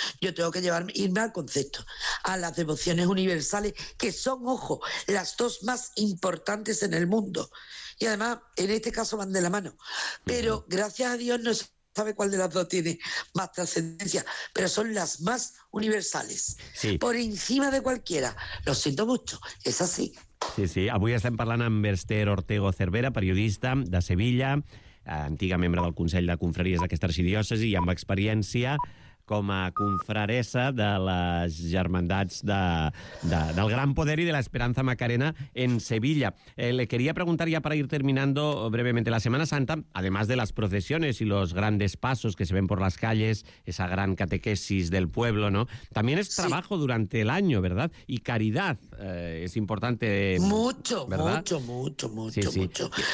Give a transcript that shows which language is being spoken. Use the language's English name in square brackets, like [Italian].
[Spanish] Yo tengo que irme al concepto, a las devociones universales, que son, ojo, las dos más importantes en el mundo. Y además, en este caso van de la mano. Pero gracias a Dios no es sabe cuál de las dos tiene más trascendencia, pero son las más universales, sí, por encima de cualquiera. Lo siento mucho, es así. Sí, sí. [Catalan] Avui estem parlant amb Esther Ortego Cervera, periodista de Sevilla, antiga membre del Consell de Confraries d'aquesta arxidiòcesi i amb experiència com a confraressa de les germandats del Gran Poder i de l'Esperanza Macarena en Sevilla. [Spanish] Le quería preguntar ya para ir terminando brevemente la Semana Santa, además de las procesiones y los grandes pasos que se ven por las calles, esa gran catequesis del pueblo, ¿no? También es trabajo, sí, durante el año, ¿verdad? Y caridad es importante. Mucho, ¿verdad? mucho, sí, sí, mucho.